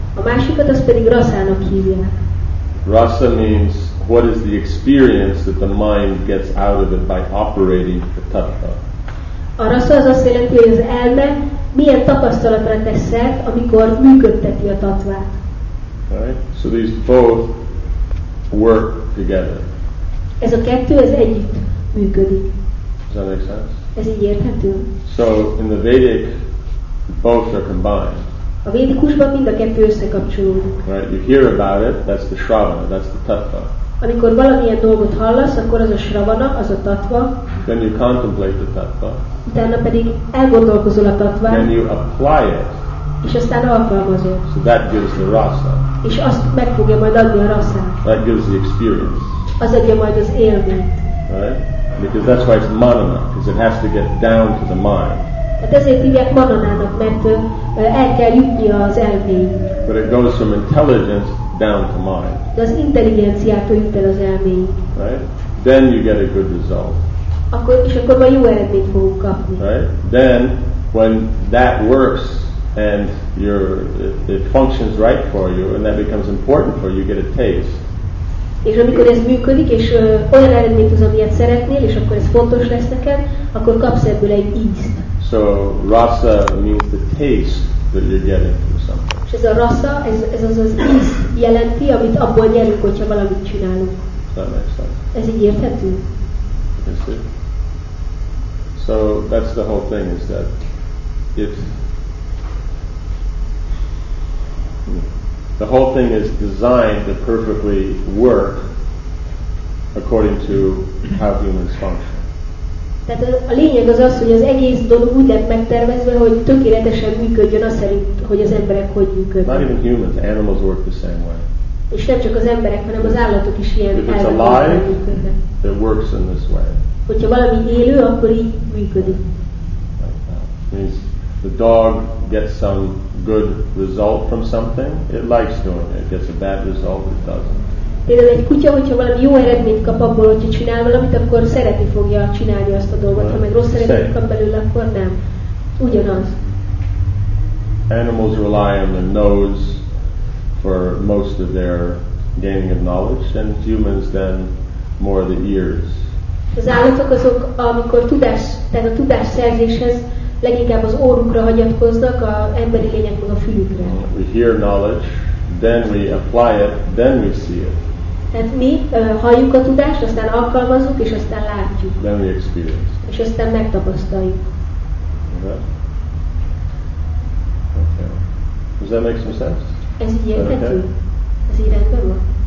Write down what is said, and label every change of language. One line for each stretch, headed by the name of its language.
Hungarian: A másikat az pedig rasának hívják.
English: Rasa means what is the experience that the mind gets out of it by operating the tattva.
Hungarian: A rasa az azt jelenti, hogy az elme milyen tapasztalatra tesz szert, amikor működteti a tattvát.
English: Right? So these both work together.
Hungarian: Ez a kettő, ez együtt működik.
English: Does that make sense?
Hungarian: Ez így érthető?
English: So in the Vedic, both are combined.
Hungarian: A védikusban mind a kettő összekapcsolódik.
English: Right, you hear about it, that's the shravana, that's the tattva.
Hungarian: Amikor valamilyen dolgot hallasz, akkor az a shravana, az a tattva.
English: Then you contemplate the tattva.
Hungarian: Utána pedig elgondolkozol a tattva.
English: Then you apply it.
Hungarian: És aztán alkalmazol.
English: So that gives the rasa.
Hungarian: És azt meg fogja majd adni a rasát.
English: That gives the experience.
Hungarian: Az adja majd az élményt.
English: Right? Because that's why it's manana, because it has to get down to the mind.
Hungarian: Hát ezért hívják mananának, mert el kell jutni az elméig.
English: But it goes from intelligence down to mind.
Hungarian: De az intelligenciától jut el az elméig.
English: Right? Then you get a good result.
Hungarian: Akkor, és akkor már jó eredményt fogunk kapni.
English: Right? Then, when that works and it functions right for you and that becomes important for you, you get a taste.
Hungarian: És amikor ez működik, és olyan eredményt hoz, amilyet szeretnél, és akkor ez fontos lesz neked, akkor kapsz ebből egy ízt.
English: So rasa means the taste that you're getting from something.
Hungarian: És ez a rasa, ez az az íz jelenti, amit abból nyerünk, hogyha valamit csinálunk. Ez így érthető?
English: Yes, it. So that's the whole thing, is that it's... The whole thing is designed to perfectly work according to how humans function.
Hungarian: Tehát a lényeg az, hogy az egész dolog úgy lett megtervezve, hogy tökéletesen működjön az szerint, hogy az emberek hogy működnek. Not even humans, animals work the same way. És nem csak az emberek, hanem az állatok is ilyen elvek működnek.
English: If it's alive, it works in this way.
Hungarian: Hogyha valami élő, akkor így működik.
English: Means the dog gets some good result from something, it likes doing it. Gets a bad result, it doesn't.
Hungarian: Például egy kutya, hogyha valami jó eredményt kap abból, hogyha csinál valamit, akkor szeretni fogja csinálni azt a dolgot. Ha meg rossz eredményt kap belőle, akkor nem. Ugyanaz.
English: Animals rely on their nose for most of their gaining of knowledge, and humans then more the ears.
Hungarian: Az állatok azok, amikor tehát a tudás szerzéshez leginkább az orrukra hagyatkoznak, a emberi lények meg a fülükre.
English: We hear knowledge. Then we apply it, then we see it.
Hungarian: Tehát mi halljuk a tudást, aztán alkalmazzuk, és aztán látjuk.
English: Then we experience.
Hungarian: És aztán megtapasztaljuk.
English: Okay. Does that make some sense?
Hungarian: Ez így érthető? Ez így rendben van?